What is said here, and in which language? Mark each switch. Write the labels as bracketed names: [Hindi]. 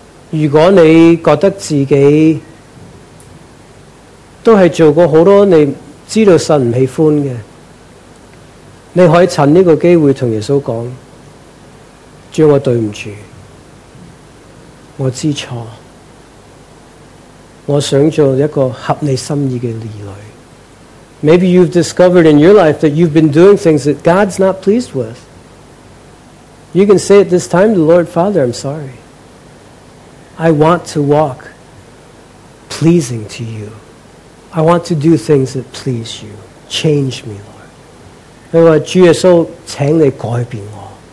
[Cantonese] 如果你觉得自己都是做过很多你知道神不喜欢的，你可以趁这个机会跟耶稣说，主我对不住，我知错，我想做一个合你心意的儿女。 [English] Maybe you've discovered in your life that you've been doing things that God's not pleased with. You can say at this time to the Lord, Father, I'm sorry. I want to walk pleasing to you. I want to do things that please you. Change me, Lord. [Cantonese] 你说主耶稣，请你改变我。